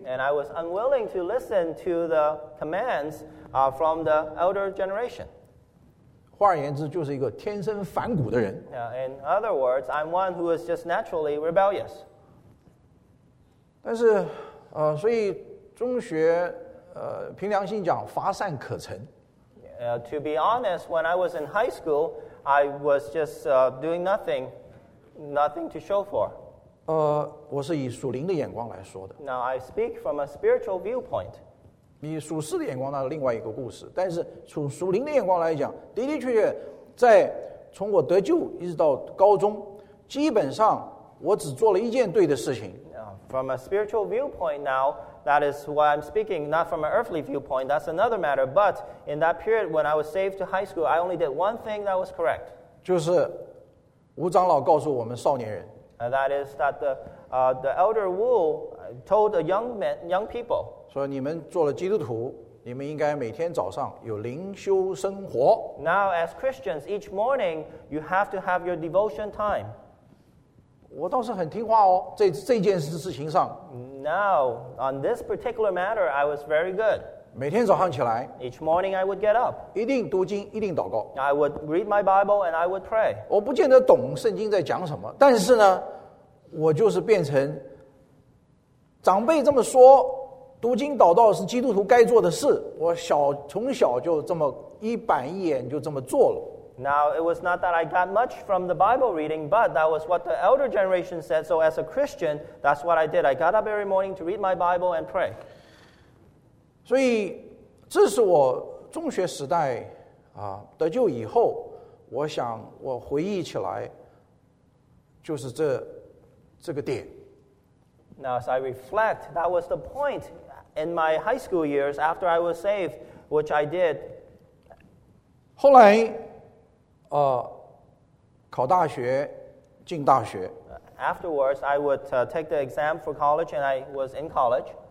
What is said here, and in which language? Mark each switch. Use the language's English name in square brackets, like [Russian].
[English] And I was unwilling to listen to the commands from the elder generation. [Chinese] 换言之，就是一个天生反骨的人。 [English] In other words, I'm one who is just naturally rebellious. [Chinese] 但是，所以中学，凭良心讲，乏善可陈。 [English] To be honest, when I was in high school, I was just doing nothing to show for. [Chinese] 我是以属灵的眼光来说的。 [English] Now I speak from a spiritual viewpoint. [Chinese] 以属世的眼光那是另外一个故事，但是从属灵的眼光来讲，的的确确，在从我得救一直到高中，基本上我只做了一件对的事情。 [English] From a spiritual viewpoint, now that is why I'm speaking, not from an earthly viewpoint. That's another matter. But in that period when I was saved to high school, I only did one thing that was correct. [Chinese] 就是吴长老告诉我们少年人。 [English] That is that the elder Wu told the young people. [Chinese] 说你们做了基督徒，你们应该每天早上有灵修生活。 [English] Now as Christians, each morning you have to have your devotion time. [Chinese] 我倒是很听话哦，这件事情上。 [English] Now on this particular matter, I was very good. [Chinese] 每天早上起来。 [English] Each morning I would get up. [Chinese] 一定读经，一定祷告。 [English] I would read my Bible and I would pray. [Chinese] 我不见得懂圣经在讲什么，但是呢。我就是变成长辈这么说读经祷告是基督徒该做的事，我小从小就这么一板一眼就这么做了。 [English] Now, it was not that I got much from the Bible reading, but that was what the elder generation said. So as a Christian, that's what I did. I got up every morning to read my Bible and pray. [Chinese] 所以这是我中学时代得救以后，我想我回忆起来就是这个点。 [English] Now, as I reflect, that was the point in my high school years after I was saved, which I did. [Chinese] 后来考大学，进大学。 [English] Afterwards, I would take the exam for college, and I was in college.